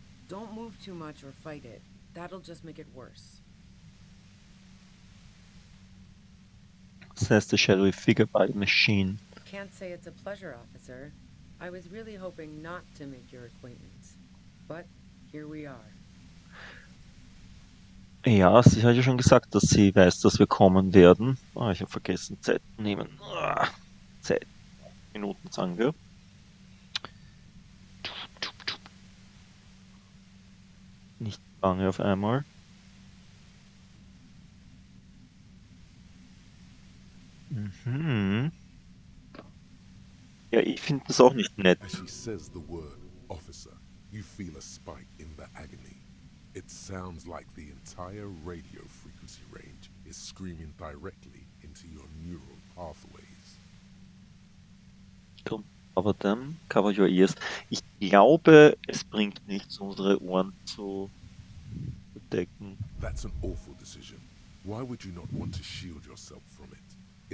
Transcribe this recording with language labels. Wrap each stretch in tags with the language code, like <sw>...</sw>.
<en>Don't move too much or fight it. That'll just make it worse. Says the shadowy figure by the machine. Can't say it's a pleasure, officer. I was really hoping not to make your acquaintance. But here we are.</en> <de>Ja, ich hatte ja schon gesagt, dass sie weiß, dass wir kommen werden. Oh, ich habe vergessen, Zeit nehmen. Zeit. Minuten, sagen wir. Nicht lange auf einmal. Ja, ich finde das auch nicht nett.</de> <en>As she says the word officer, you feel a spike in the agony. It sounds like the entire radio frequency range is screaming directly into your neural pathways. Cover them, cover your ears.</en> <de>Ich glaube, es bringt nichts, unsere Ohren zu bedecken.</de> <en>That's an awful decision. Why would you not want to shield yourself from it?</en>